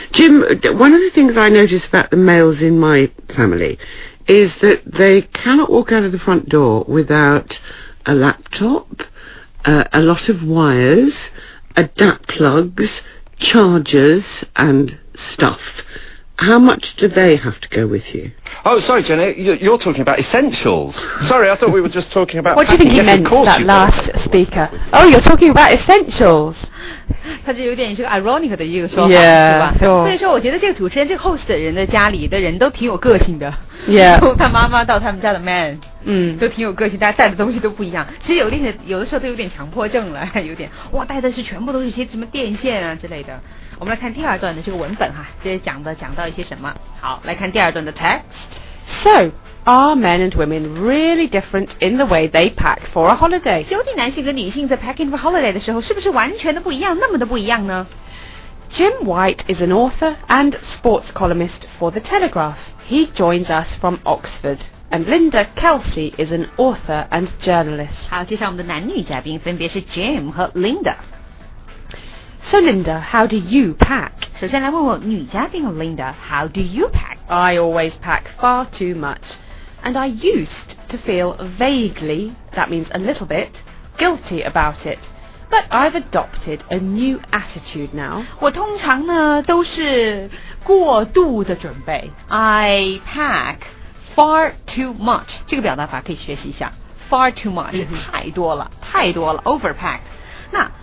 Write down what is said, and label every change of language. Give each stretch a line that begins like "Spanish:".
English: Jim, one of the things I notice about the males in my family is that they cannot walk out of the front door without a laptop, a lot of wires, adapt plugs, chargers and stuff. How much do they have to go with you? Oh, sorry, Jenny, you're talking about essentials. Sorry, I thought we were just talking about... What do you think he yes, meant, that last speaker? Oh, you're talking about essentials.
Chinese: 他就有点是个 ironic 的一个说法
English: yeah,
Chinese: 是吧、
English: so.
Chinese: 所以说我觉得这个主持人这个 host 的人的家里的人都挺有个性的
English: yeah.
Chinese: 从他妈妈到他们家的 man、嗯、都挺有个性，大家带的东西都不一样，其实有的时候都有点强迫症了，有点哇带的是全部都是一些什么电线啊之类的。我们来看第二段的这个文本哈，这讲到一些什么。好，来看第二段的 text。
English: So are men and women really different in the way they pack for a holiday?
Chinese: 究竟男性和女性在
English: packing for holiday
Chinese: 的时候是不是完全的不一样，那么的不一样呢？
English: Jim White is an author and sports columnist for The Telegraph. He joins us from Oxford. And Linda Kelsey is an author and journalist.
Chinese: 好，接下来我们的男女嘉宾分别是 Jim 和 Linda。
English: So Linda, how do you pack?
Chinese: 首先来问问女嘉宾 Linda,
English: how do you pack? I always pack far too much, and I used to feel vaguely, that means a little bit, guilty about it. But I've adopted a new attitude now.
Chinese: 我通常呢都是过度的准备。
English: I pack far too much.
Chinese: 这个表达法可以学习一下。
English: Far too much,、
Chinese: mm-hmm. 太多了 overpacked. 那